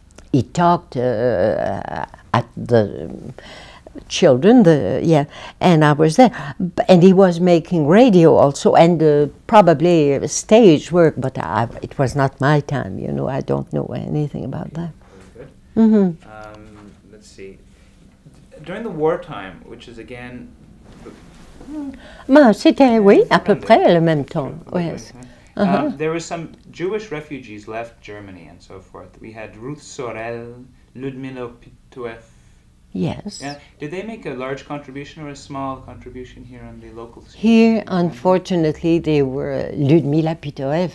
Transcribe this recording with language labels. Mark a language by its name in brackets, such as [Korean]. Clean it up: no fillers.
[English] He talked at the children, and I was there. And he was making radio also, and probably stage work, but it was not my time, you know. I don't know anything about that. Very good. Mm-hmm. Let's see. During the wartime, which is again [French] Bah, c'était, oui, à peu près le même temps. Oui. Yes. [English] There were some Jewish refugees left Germany and so forth. We had Ruth Sorel, Ludmila Pitueff. Yes. Yeah. Did they make a large contribution or a small contribution here on the local scene? Here, unfortunately, they were Ludmila Pitueff.